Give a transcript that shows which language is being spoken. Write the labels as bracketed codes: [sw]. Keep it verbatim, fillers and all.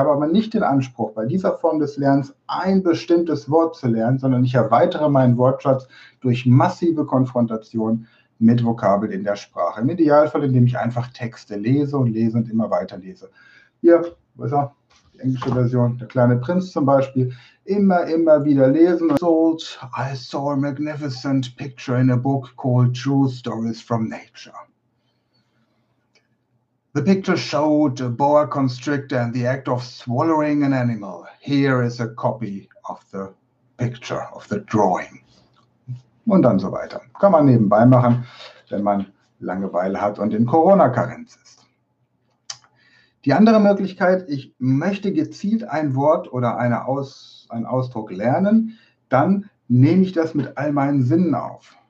[de] Ich habe aber nicht den Anspruch, bei dieser Form des Lernens ein bestimmtes Wort zu lernen, sondern ich erweitere meinen Wortschatz durch massive Konfrontation mit Vokabeln in der Sprache. Im Idealfall, indem ich einfach Texte lese und lese und immer weiter lese. Hier, was auch, die englische Version, der kleine Prinz zum Beispiel. Immer, immer wieder lesen. [en] Sold, I saw a magnificent picture in a book called True Stories from Nature. The picture showed a boa constrictor and the act of swallowing an animal. Here is a copy of the picture, of the drawing. [de] Und dann so weiter. Kann man nebenbei machen, wenn man Langeweile hat und in Corona-Karenz ist. Die andere Möglichkeit, ich möchte gezielt ein Wort oder eine Aus, einen Ausdruck lernen, dann nehme ich das mit all meinen Sinnen auf.